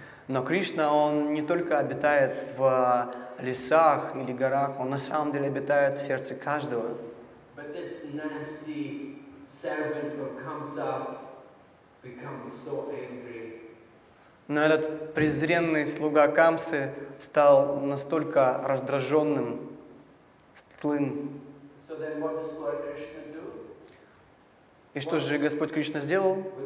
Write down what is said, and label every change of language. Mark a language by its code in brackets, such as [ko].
[ru] Но Кришна, он не только обитает в лесах или горах, он на самом деле обитает в сердце каждого. [en] But this nasty servant of Kamsa becomes so angry. [ru] Но этот презренный слуга Камсы стал настолько раздраженным, злым. [en] So then what does Lord Krishna do? [ru] И что же Господь Кришна сделал?